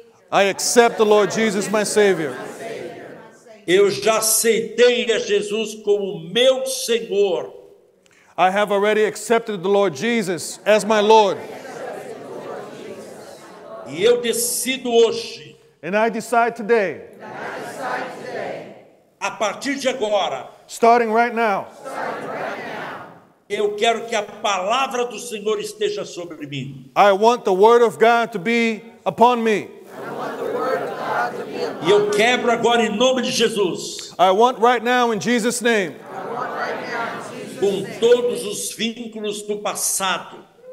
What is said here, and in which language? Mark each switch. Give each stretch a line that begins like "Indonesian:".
English: I accept the Lord Jesus as my Savior.
Portuguese: Eu já aceitei a Jesus como meu Senhor.
English: I have already accepted the Lord Jesus as my Lord.
Portuguese: E eu decido hoje.
English: And I decide today.
Portuguese: A partir de agora,
English: starting right now,
Portuguese: eu quero que a palavra do Senhor esteja sobre mim.
English: I want the word of God to be upon me.
Portuguese: E eu quebro agora em nome de Jesus.
English: I want right now in Jesus' name.
Portuguese: Com todos os vínculos do passado.